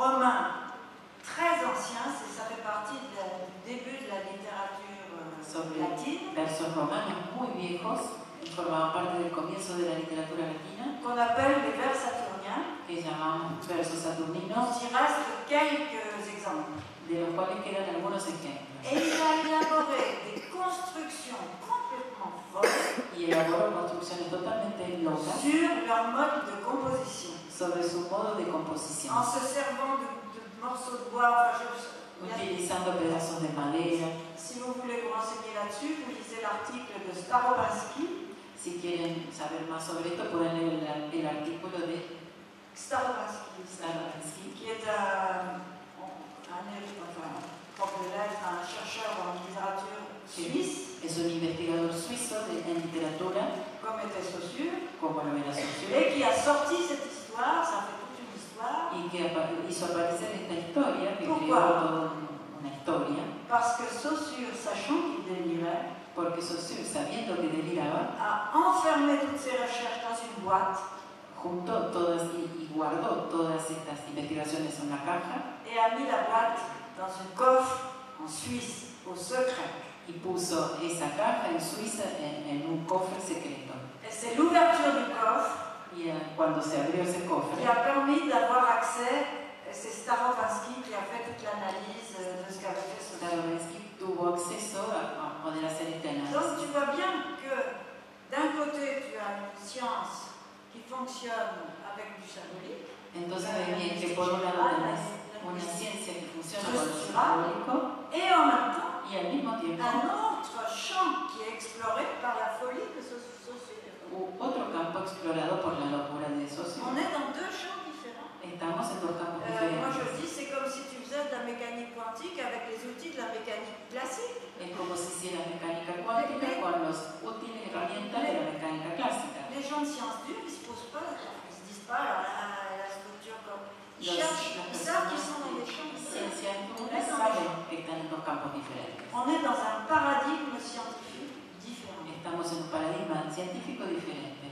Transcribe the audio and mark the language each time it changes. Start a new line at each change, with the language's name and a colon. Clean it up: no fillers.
French: romain très ancien, ça fait partie du début de la littérature latine.
Spanish: Versos romanos muy viejos, formaban parte del comienzo de la literatura latina.
French: Qu'on appelle les vers saturniens.
Spanish: Que llamamos versos saturninos.
French: Il reste quelques exemples.
Spanish: De los cuales quedan algunos ejemplos.
French: Et il a élaboré des constructions complètement folles.
Spanish: Y elaboró construcciones totalmente locas.
French: Sur leur mode de composition.
Spanish: Sobre su modo de composición.
French: En se servant de morceaux de bois.
Spanish: Utilizando pedazos de madera.
French: Si vous voulez vous renseigner là-dessus, vous lisez l'article de Starobinsky.
Spanish: Si quieren saber más sobre esto, pueden leer el artículo de
French: Starobinsky, qui est un chercheur en littérature suisse.
Spanish: Es un investigador suizo en literatura.
French: Comme était Saussure.
Spanish: Como lo era Saussure.
French: Et qui a sorti cette histoire, ça fait toute une histoire.
Spanish: Y que hizo aparecer esta historia, que creó todo una historia.
French: Parce que Saussure, sachant qu'il délirait,
Spanish: porque Saussure, sabiendo que deliraba,
French: a enfermé toutes ses recherches dans une boîte.
Spanish: Juntó todas y guardó todas estas investigaciones en una caja.
French: Et a mis la boîte dans un coffre en Suisse au secret.
Spanish: Y puso esa caja en Suiza en un cofre secreto.
French: Et c'est l'ouverture du coffre.
Spanish: Y cuando se abrió ese cofre.
French: Qui a permis d'avoir accès. C'est Starobinsky qui a fait toute l'analyse de ce qu'avait fait ce.
Spanish: Starobinsky tuvo acceso a poder hacer esta análisis.
French: Donc tu vois bien que d'un côté tu as une science qui fonctionne avec du symbolique.
Spanish: Entonces ves bien que por un lado tenés una ciencia que funciona con el simbólico
French: et en même temps,
Spanish: y al mismo tiempo
French: un autre champ qui est exploré par la folie de Saussure.
Spanish: Otro campo explorado por la locura de Saussure.
French: On est dans deux champs différents.
Spanish: Estamos en dos campos diferentes.
French: Moi je dis c'est comme si tu faisais de la mécanique quantique avec les outils de la mécanique classique.
Spanish: Es como si hicieras mecánica cuántica con los útiles herramientas de la mecánica clásica.
French: Les gens de science dure ils se posent pas, ils se disent pas la structure comme. Ils savent qu'ils sont dans des champs scientifiques. Ils savent que sont dans deux champs différents. On est dans un paradigme scientifique différent.
Spanish: Estamos en un paradigma científico diferente.